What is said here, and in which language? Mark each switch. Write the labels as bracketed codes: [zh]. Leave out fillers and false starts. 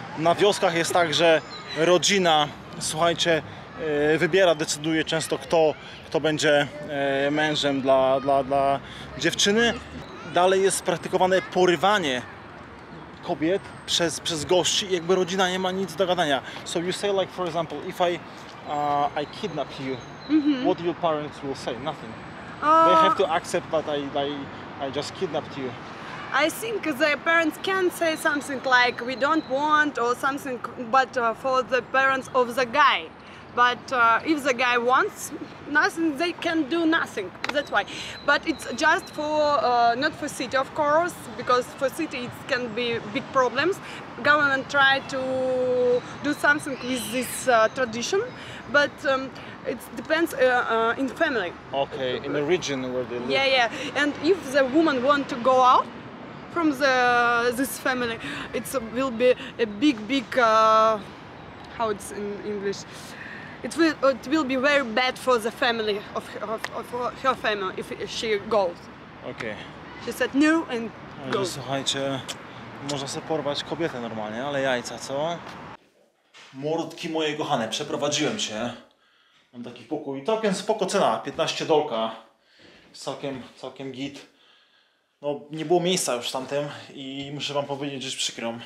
[pl] Na wioskach jest tak, że rodzina, słuchajcie, wybiera, decyduje często kto będzie mężem dla dziewczyny. Dalej jest praktykowane porywanie kobiet przez gości, jakby rodzina nie ma nic do gadania. [en] So you say like for example, if I kidnap you, mm-hmm. What your parents will say? Nothing. They have to accept that I just kidnapped you. I think the parents can say something like we don't want or something, but for the parents of the guy. But if the guy wants nothing, they can do nothing. That's why. But it's just for not for city, of course, because for city it can be big problems. Government try to do something with this tradition, but it depends in family. Okay, in the region where they live. Yeah, yeah. And if the woman want to go out from the this family, it will be a big how it's in English. It will be very bad for the family of her family if she goes. Okay. She said no and go. [pl] Ale słuchajcie, można sobie porwać kobietę normalnie, ale jajca, co? Mordki moje kochane, przeprowadziłem się. Mam taki pokój. Całkiem spoko cena, 15 dolka. Całkiem git. No nie było miejsca już w tamtym i muszę wam powiedzieć, że jest przykro.